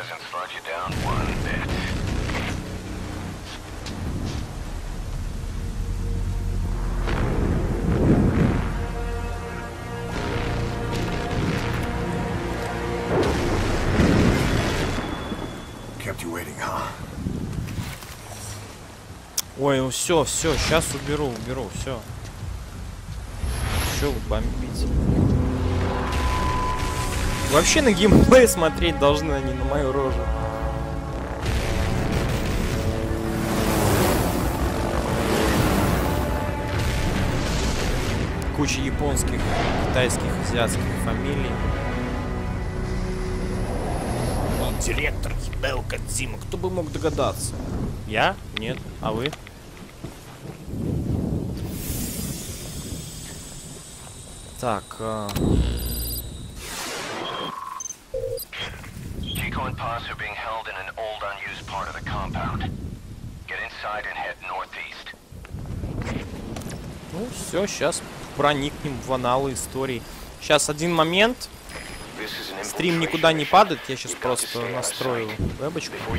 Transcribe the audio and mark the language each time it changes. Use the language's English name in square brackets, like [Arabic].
[English] brought you down one bit. Kept you waiting, huh? [Russian] Ой, все, все, сейчас уберу, уберу, все. Все, бомбить. Вообще на геймплей смотреть должны, а не на мою рожу. Куча японских, китайских, азиатских фамилий. И директор Хидео Кодзима, кто бы мог догадаться? Я? Нет, а вы? Так, [English] Kiko and Paz are being held in an old, unused part of the compound. Get inside and head northeast. [Russian] Ну все, сейчас проникнем в аналы истории. Сейчас один момент. Стрим никуда не падает, я сейчас просто настроил вебочку.